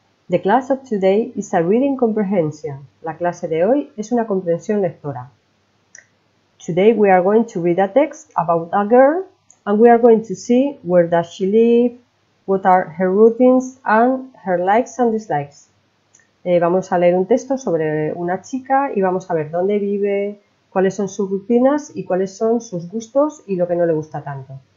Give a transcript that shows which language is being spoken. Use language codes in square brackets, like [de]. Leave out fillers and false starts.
[en] The class of today is a reading comprehension. [es] La clase de hoy es una comprensión lectora. [en] Today we are going to read a text about a girl and we are going to see where does she live, what are her routines and her likes and dislikes. [es] Vamos a leer un texto sobre una chica y vamos a ver dónde vive, cuáles son sus rutinas y cuáles son sus gustos y lo que no le gusta tanto.